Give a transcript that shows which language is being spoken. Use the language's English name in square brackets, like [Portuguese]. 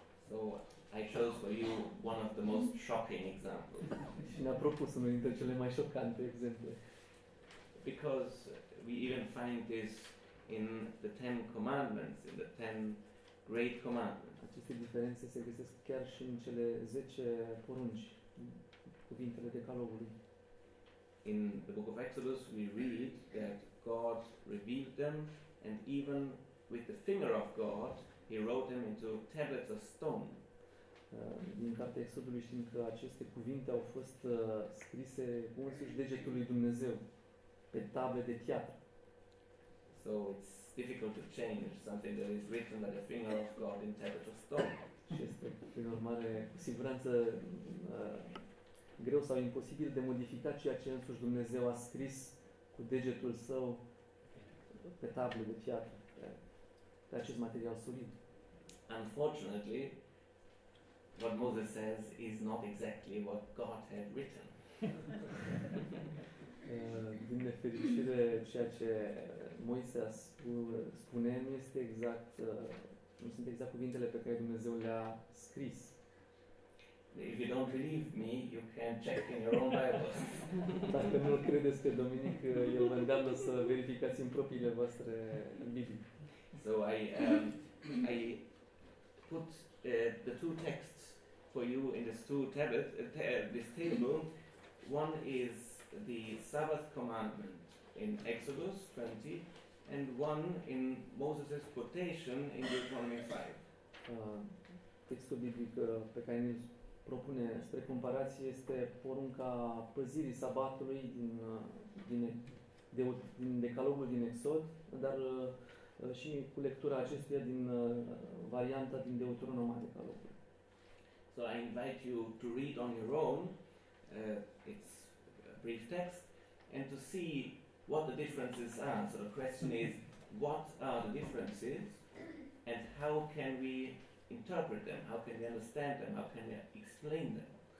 [English] So I chose for you one of the most shocking examples. [Romanian] Și ne-a propus unul dintre cele mai șocante exemple. [English] Because we even find this in the Ten Commandments, in the Ten Great Commandments. [Romanian] Aceste diferențe se găsesc chiar și în cele 10 porunci, cuvintele Decalogului. [English] In the book of Exodus we read that God revealed them and even with the finger of God he wrote them into tablets of stone. [Romanian] Din cartea Exodului știm că aceste cuvinte au fost scrise cu însuși degetul lui Dumnezeu pe table de piatră. [English] So it's difficult to change something that is written by the finger of God in tablets of stone. [Romanian] Și este, prin urmare, cu siguranță greu sau imposibil de modificat ceea ce însuși Dumnezeu a scris cu degetul său pe table de piatră, pe acest material solid. [English] Unfortunately, what Moses says is not exactly what God had written. [Romanian] Din nefericire, ceea ce Moise spune nu este exact, nu sunt exact cuvintele pe care Dumnezeu le-a scris. [English] If you don't believe me, you can check in your own Bibles. [Romanian] Dacă nu credeți pe Dominic, eu vă îndeamnă să verificați în propriile voastre Biblii. [English] So I put the two texts for you in this two tablet, this table. One is the Sabbath commandment in Exodus 20 and one in Moses' quotation in Deuteronomy 5. [Romanian] Textul biblic pe care ne propune spre comparație este porunca păzirii sabatului din Decalogul din Exod, dar și cu lectura acestuia din varianta din Deuteronom a Decalogului. [English] So I invite you to read on your own. It's brief text, and to see what the differences are. So the question is, what are the differences, and how can we interpret them, how can we understand them, how can we explain them?